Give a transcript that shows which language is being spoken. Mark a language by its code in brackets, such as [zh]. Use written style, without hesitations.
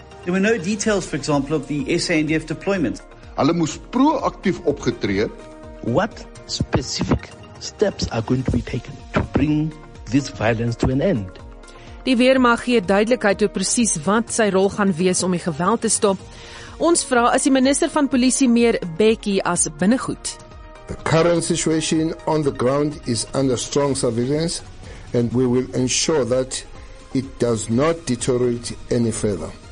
[en] There were no details, for example, of the SANDF deployment. [af] Hulle moes proaktief opgetree. [en] What specific steps are going to be taken to bring this violence to an end? [af] Die weermag gee duidelikheid oor presies wat sy rol gaan wees om die geweld te stop. Ons vra as die minister van polisie meer bekkie as binnegoed. [en] The current situation on the ground is under strong surveillance and we will ensure that it does not deteriorate any further.